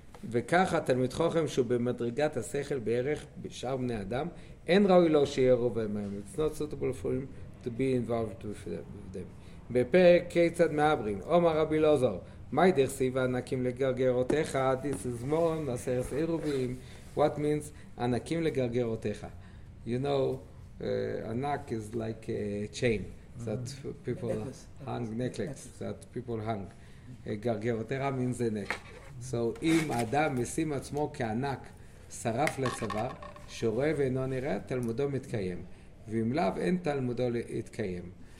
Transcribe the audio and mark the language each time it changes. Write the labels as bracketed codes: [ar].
[he] וככה תלמיד חוכם שהוא במדרגת השכל בערך בשאר בני אדם אין ראוי לו שיהיה רובה מהם. [en] It's not suitable for him to be involved with them. [he] בפרק כיצד מעברין אומר רבי לוזור מי דר סיבה ענקים לגרגרותיך. [en] This is more on the first Eruvim. What means [he] ענקים לגרגרותיך? [en] You know, ענק is like a chain that people hung, necklace that people hung. גרגרותיך means a neck. [he] So אם אדם משים עצמו כענק שרף לצוואר שרואה ואינו נראה, תלמודו מתקיים, ואם לאו אין תלמודו להתקיים.